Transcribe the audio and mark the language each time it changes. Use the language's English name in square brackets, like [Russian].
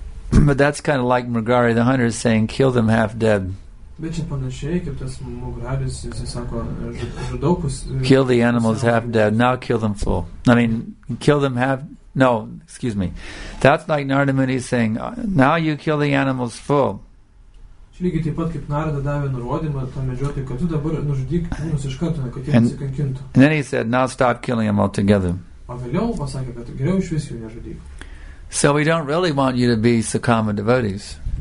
[English] But that's kind of like Murgari the hunter saying, kill them half dead. [Lithuanian] Bet čia panašiai, kaip tas mugrabis, jis sako, žudaukus. [English] Kill the animals half dead, now kill them full. I mean, kill them half, no, excuse me. That's like Narada Muni saying, now you kill the animals full. [Lithuanian] Čia lygiai taip pat, kaip Narada davė nurodymą tą medžiotį, kad tu dabar nužudyk kūnus iš karto, kad jie nesikankintų. [English] And then he said, now stop killing them altogether. [Lithuanian] O vėliau pasakė, kad geriau iš visų nežudyk. [English] So we don't really want you to be Sakama devotees.